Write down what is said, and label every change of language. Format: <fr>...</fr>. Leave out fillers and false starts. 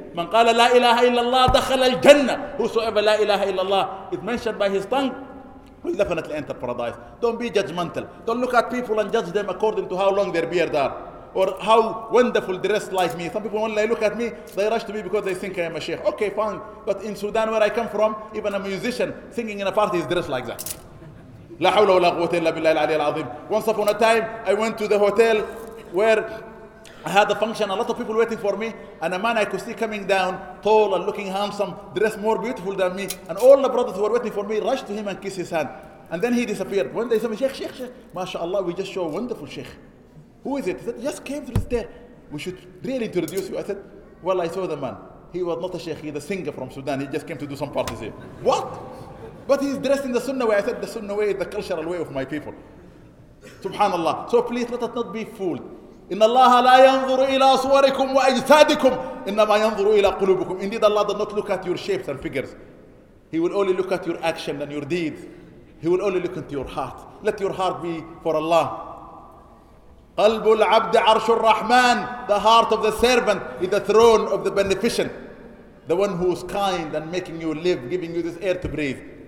<ar>Man qala la ilaha illallah dakhal al-jannah.</ar> <en>Whosoever la ilaha illallah is mentioned by his tongue, we definitely enter paradise. Don't be judgmental. Don't look at people and judge them according to how long their beard are, or how wonderful dressed like me. Some people, when they look at me, they rush to me because they think I am a sheikh. Okay, fine. But in Sudan, where I come from, even a musician singing in a party is dressed like that.</en> <ar>لا حول ولا قوة إلا بالله العلي العظيم.</ar> <en>Once upon a time, I went to the hotel where I had a function. A lot of people waiting for me, and a man I could see coming down, tall and looking handsome, dressed more beautiful than me. And all the brothers who were waiting for me rushed to him and kissed his hand. And then he disappeared. When they said, Sheikh, Sheikh, Sheikh, MashaAllah, we just show a wonderful Sheikh. Who is it? He said, just came through there. We should really introduce you. I said, well, I saw the man. He was not a Sheikh, he's a singer from Sudan. He just came to do some parties here. What? But he's dressed in the Sunnah way. I said, the Sunnah way is the cultural way of my people. SubhanAllah. So please let us not be fooled.</en> <ar>إن الله لا ينظر إلى صوركم وأجسادكم إنما ينظر إلى قلوبكم.</ar> <en>Indeed, Allah does not look at your shapes and figures. He will only look at your action and your deeds. He will only look into your heart. Let your heart be for Allah.</en> <ar>قلب العبد عرش الرحمن.</ar> <en>The heart of the servant is the throne of the beneficent. The one who is kind and making you live, giving you this air to breathe.</en>